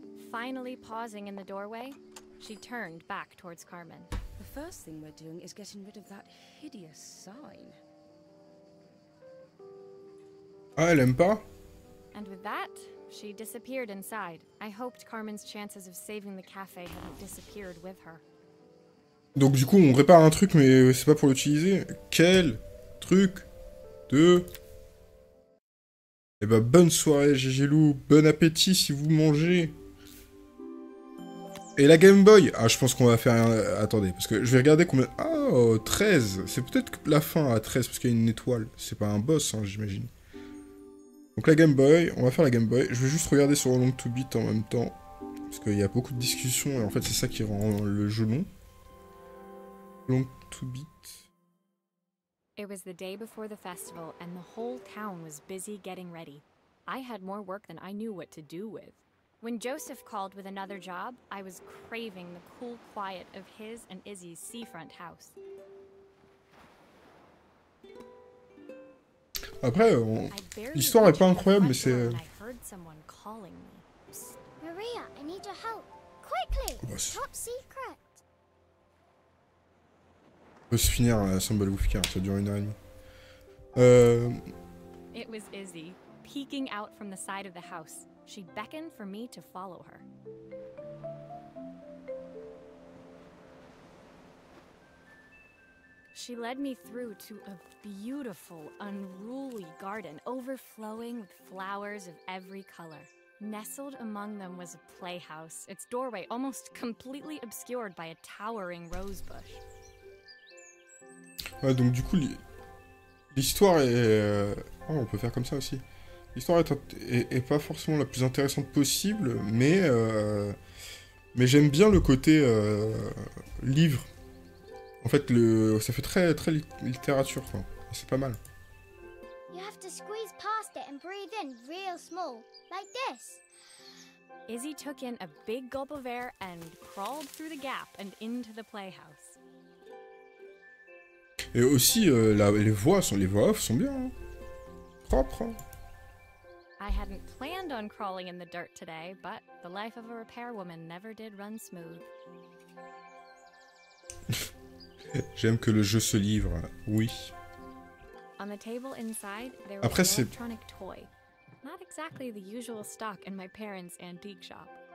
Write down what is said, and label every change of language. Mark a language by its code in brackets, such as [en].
[en] Finally pausing in the doorway, she turned back towards Carmen. The first thing we're doing is getting rid of that hideous sign. [fr] Ah, elle aime pas. [en] And with that, she disappeared inside. I hoped Carmen's chances of saving the cafe hadn't disappeared with her. [fr] Donc du coup, on répare un truc, mais c'est pas pour l'utiliser. Quel truc de... Eh ben, bonne soirée, Gégélou. Bon appétit si vous mangez. Et la Game Boy? Ah, je pense qu'on va faire... Attendez, parce que je vais regarder combien... Ah, oh, 13. C'est peut-être la fin à 13, parce qu'il y a une étoile. C'est pas un boss, hein, j'imagine. Donc la Game Boy, on va faire la Game Boy. Je vais juste regarder sur Long To Beat en même temps. Parce qu'il y a beaucoup de discussions, et en fait, c'est ça qui rend le jeu long. Long To Beat. [en] It was the day before the festival, and the whole town was busy getting ready. I had more work than I knew what to do with. When Joseph called with another job, I was craving the cool quiet of his and Izzy's seafront house. [fr] Après, on... l'histoire est pas incroyable, mais c'est... [en] I heard someone calling me. Maria, I need your help. Quickly! Top secret! [fr] On peut se finir à Assemble Wolfcar, ça dure une heure et demie. [en] It was Izzy, peeking out from the side of the house. She beckoned for me to follow her. She led me through to a beautiful, unruly garden, overflowing with flowers of every color. Nestled among them was a playhouse, its doorway almost completely obscured by a towering rose bush. [fr] Ouais, donc du coup, l'histoire est... Oh, on peut faire comme ça aussi. L'histoire est pas forcément la plus intéressante possible, mais j'aime bien le côté livre. En fait, ça fait très, très littérature, quoi. Et c'est pas mal. [en] You have to squeeze past it and breathe in real small, like this. Izzy took in a big gulp of air and crawled through the gap and into the playhouse. [fr] Et aussi, les voix off sont bien, hein. Propres. [en] I hadn't planned on crawling in the dirt today, but the life of a repairwoman never did run smooth. [fr] J'aime que le jeu se livre, oui. [en] On the table inside, there was an electronic toy. Not exactly the usual stock in my parents' antique shop.